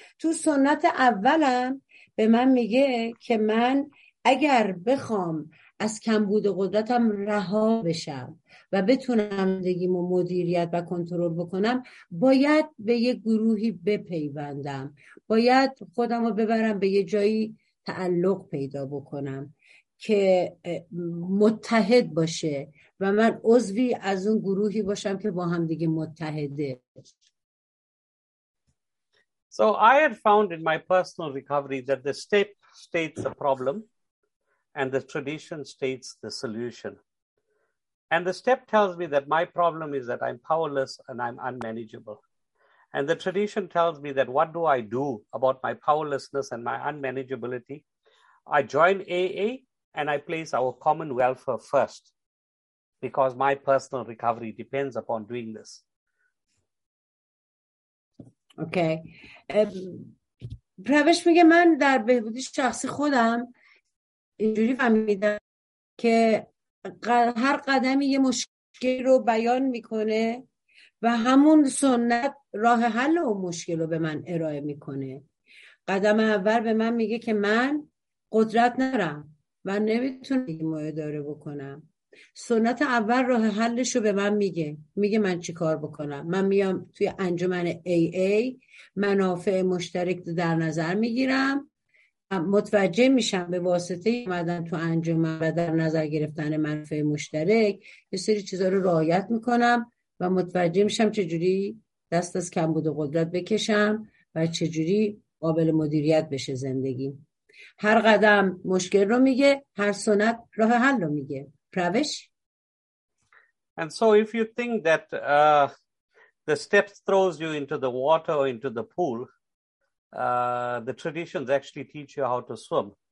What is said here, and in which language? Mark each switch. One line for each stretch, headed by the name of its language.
Persian: تو سنت اولم به من میگه که من اگر بخوام از کمبود قدرتم رها بشم و بتونم زندگیمو مدیریت و کنترل بکنم، باید به یه گروهی بپیوندم، باید خودم رو ببرم به یه جایی تعلق پیدا بکنم که متحد باشه و من عضوی از اون گروهی باشم که با هم دیگه متحده.
English: So I had found in my personal recovery that the state states the problem and the tradition states the solution. And the step tells me that my problem is that I'm powerless and I'm unmanageable. And the tradition tells me that what do I do about my powerlessness and my unmanageability? I join AA and I place our common welfare first because my personal recovery depends upon doing this. Okay.
Persian: پروش میگه من در بهبودی شخصی خودم اینجوری فهمیدم که هر قدمی یه مشکل رو بیان میکنه و همون سنت راه حل اون مشکل رو به من ارائه میکنه. قدم اول به من میگه که من قدرت ندارم و نمیتونم اداره بکنم. سنت اول راه حلش رو به من میگه، میگه من چی کار بکنم. من میام توی انجمن AA، منافع مشترک در نظر میگیرم، متوجه میشم به واسطه اومدن تو انجمن و در نظر گرفتن منافع مشترک یه سری چیزا رو رعایت میکنم و متوجه میشم چجوری دست از کمبود قدرت بکشم و چجوری قابل مدیریت بشه زندگی. هر قدم مشکل رو میگه، هر سنت راه حل رو میگه.
English: And so if you think that the step throws you into the water or into the pool, the traditions actually teach you how to swim.